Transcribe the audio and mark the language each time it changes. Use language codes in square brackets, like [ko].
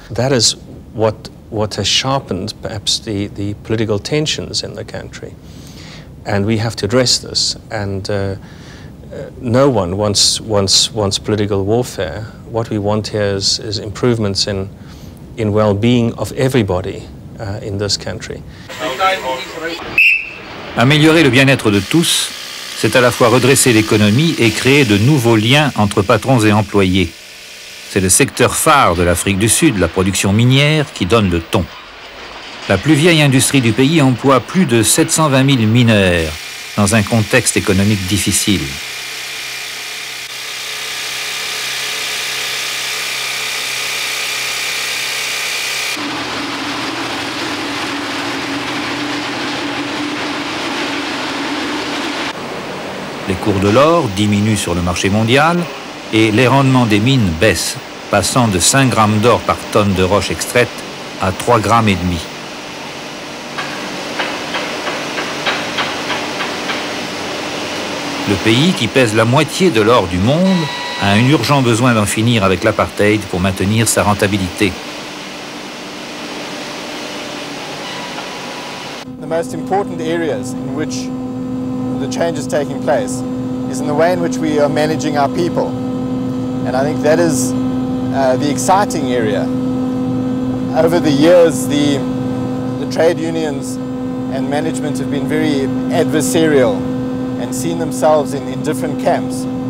[en] That is what has sharpened perhaps the political tensions in the country. And we have to address this. And no one wants political warfare. What we want here is improvements in well-being of everybody in this country. [fr] Améliorer le bien-être de tous, c'est à la fois redresser l'économie et créer de nouveaux liens entre patrons et employés. C'est le secteur phare de l'Afrique du Sud, la production minière, qui donne le ton. La plus vieille industrie du pays emploie plus de 720 000 mineurs dans un contexte économique difficile. Les cours de l'or diminuent sur le marché mondial et les rendements des mines baissent, passant de 5 grammes d'or par tonne de roche extraite à 3,5 grammes. Le pays, qui pèse la moitié de l'or du monde, a un urgent besoin d'en finir avec l'apartheid pour maintenir sa rentabilité. [en] The most important areas in which the change is taking place is in the way in which we are managing our people. And I think that is the exciting area. Over the years, the trade unions and management have been very adversarial and seen themselves in different camps.